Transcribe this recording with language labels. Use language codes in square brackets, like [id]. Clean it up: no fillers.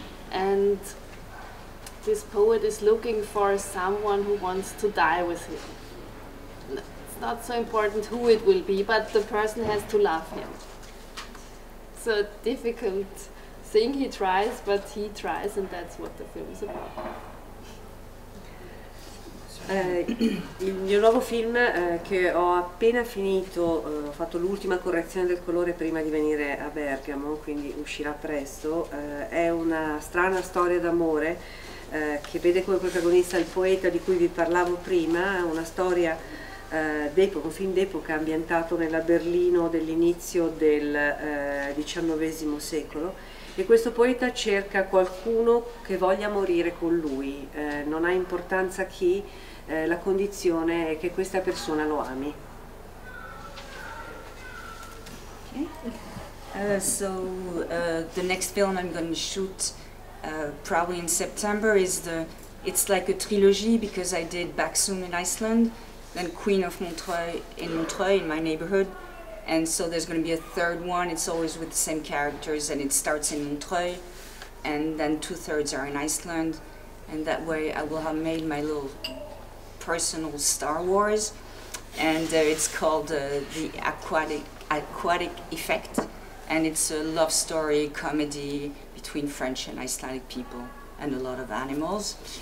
[en] And this poet is looking for someone who wants to die with him. It's not so important who it will be, but the person has to love him. It's a difficult thing. He tries, but he tries, and that's what the film is about. [it] Il mio nuovo film, che ho appena finito, ho fatto l'ultima correzione del colore prima di venire a Bergamo, quindi uscirà presto, è una strana storia d'amore che vede come protagonista il poeta di cui vi parlavo prima, una storia d'epoca, un film d'epoca ambientato nella Berlino dell'inizio del XIX secolo. E questo poeta cerca qualcuno che voglia morire con lui, non ha importanza chi, la condizione è che questa persona lo ami. [en] Okay. The next film I'm going to shoot probably in September is it's like a trilogy, because I did Baksun in Iceland, then Queen of Montreuil in my neighborhood. And so there's going to be a third one. It's always with the same characters, and it starts in Montreuil, and then two thirds are in Iceland, and that way I will have made my little personal Star Wars, and it's called the aquatic effect, and it's a love story comedy between French and Icelandic people and a lot of animals.